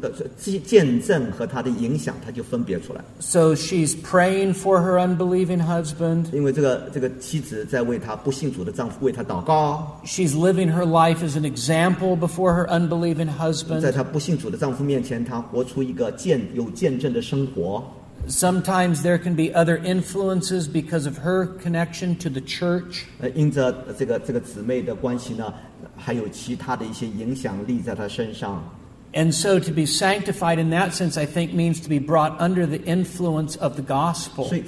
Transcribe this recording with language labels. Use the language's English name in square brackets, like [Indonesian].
[Chinese] 因着信主的妻子的见证和她的影响，她就分别出来。 [English] So she's praying for her unbelieving husband. [Chinese] 因为这个妻子在为她不信主的丈夫为她祷告。 [English] She's living her life as an example before her unbelieving husband. [Chinese] 在她不信主的丈夫面前，她活出一个有见证的生活。 [English] Sometimes there can be other influences because of her connection to the church. [Chinese] 因着这个姊妹的关系呢，还有其他的一些影响力在她身上。 [English] And so to be sanctified in that sense, I think, means to be brought under the influence of the gospel.